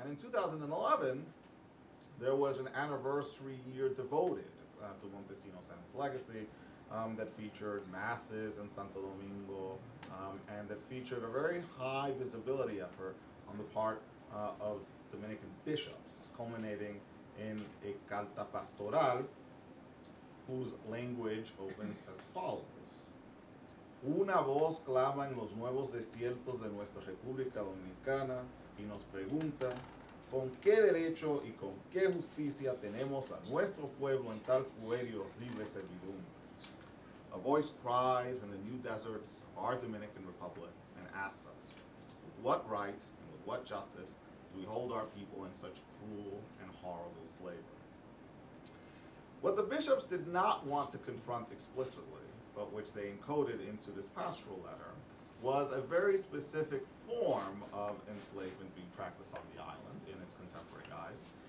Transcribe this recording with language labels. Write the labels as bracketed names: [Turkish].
[English] And in 2011, there was an anniversary year devoted to Montesinos and his legacy that featured masses in Santo Domingo and that featured a very high visibility effort on the part of Dominican bishops, culminating in a carta pastoral whose language opens as follows. [Spanish] Una voz clama en los nuevos desiertos de nuestra República Dominicana y nos pregunta con qué derecho y con qué justicia tenemos a nuestro pueblo en tal puerio libre servidumbre. [English] A voice cries in the new deserts, our Dominican Republic, and asks us, with what right and with what justice do we hold our people in such cruel and horrible slavery? What the bishops did not want to confront explicitly, but which they encoded into this pastoral letter, was a very specific form of enslavement being practiced on the island in its contemporary guise.